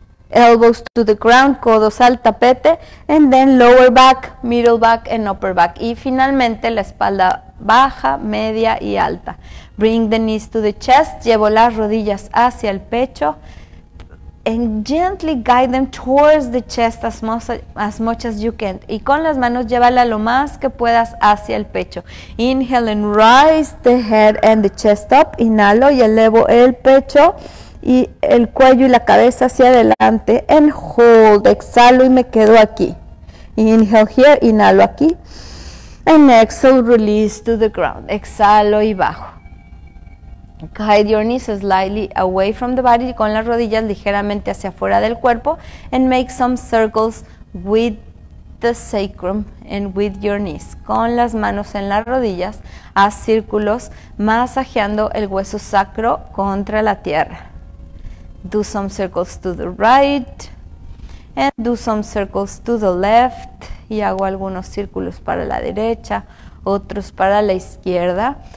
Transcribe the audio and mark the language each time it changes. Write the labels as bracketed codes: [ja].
[en] Elbows to the ground, [es] codos al tapete, [en] and then lower back, middle back, and upper back. [es] Y finalmente la espalda baja, media y alta. [en] Bring the knees to the chest, [es] llevo las rodillas hacia el pecho, [en] and gently guide them towards the chest as much as you can. [es] Y con las manos llévala lo más que puedas hacia el pecho. [en] Inhale and rise the head and the chest up. [es] Inhalo y elevo el pecho y el cuello y la cabeza hacia adelante. [en] And hold. [es] Exhalo y me quedo aquí. [en] Inhale here. [es] Inhalo aquí. [en] And exhale, release to the ground. [es] Exhalo y bajo. [en] Guide your knees slightly away from the body. [es] Con las rodillas ligeramente hacia afuera del cuerpo. [en] And make some circles with the sacrum and with your knees. [es] Con las manos en las rodillas, haz círculos masajeando el hueso sacro contra la tierra. [en] Do some circles to the right, and do some circles to the left, [es] y hago algunos círculos para la derecha, otros para la izquierda.